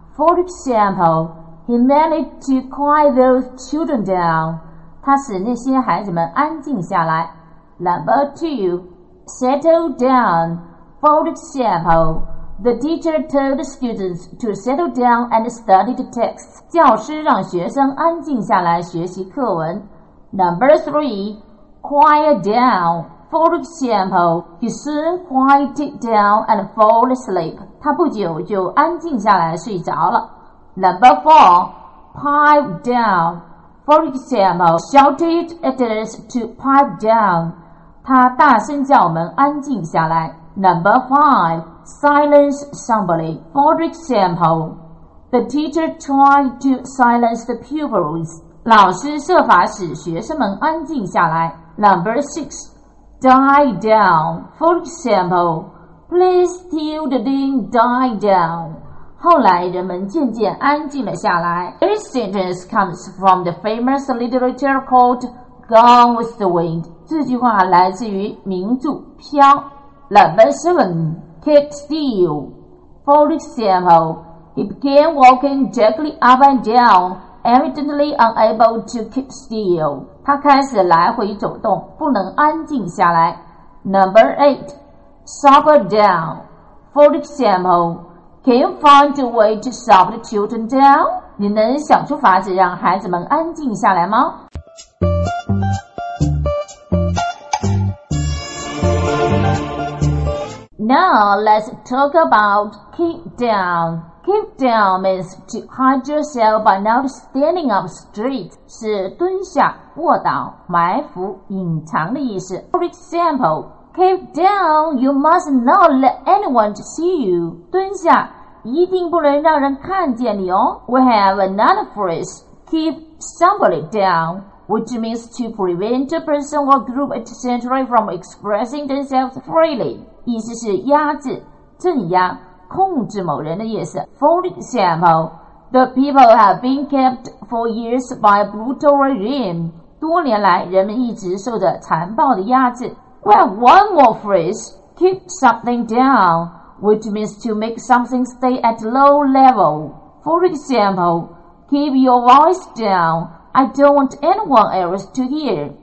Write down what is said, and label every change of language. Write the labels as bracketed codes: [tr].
[en] For example, he managed to quiet those children down. [zh] 他使那些孩子们安静下来。 [en] Number two, settle down. For example, the teacher told students to settle down and study the text. [zh] 教师让学生安静下来学习课文。 [en] Number three, quiet down. For example, he soon quieted down and fell asleep. [zh] 他不久就安静下来睡着了。 [en] Number four, pipe down. For example, shouted at us to pipe down. [zh] 他大声叫我们安静下来。 [en] Number five, silence somebody. For example, the teacher tried to silence the pupils. [zh] 老师设法使学生们安静下来。 [en] Number six, die down. For example, please till the ding die down. [zh] 后来人们渐渐安静了下来。 [en] This sentence comes from the famous literature called Gone with the Wind. [zh] 这句话来自于名著《飘》。 [en] Number seven, keep still. For example, he began walking gently up and down. Evidently unable to keep still. [zh] 他开始来回走动，不能安静下来。 [en] Number eight, sober down. For example, can you find a way to sober the children down? [zh] 你能想出法子让孩子们安静下来吗？ [en] Now let's talk about keep down. Keep down means to hide yourself by not standing up straight. [zh] 是蹲下、卧倒、埋伏、隐藏的意思。 [en] For example, keep down, you must not let anyone to see you. [zh] 蹲下，一定不能让人看见你哦。 [en] We have another phrase, keep somebody down. Which means to prevent a person or group at centrally from expressing themselves freely. [zh] 意思是压制、镇压、控制某人的意思。 [en] For example, the people have been kept for years by a brutal regime. [zh] 多年来人们一直受着残暴的压制。 [en] We have one more phrase, keep something down, which means to make something stay at low level. For example, keep your voice down. I don't want anyone else to hear.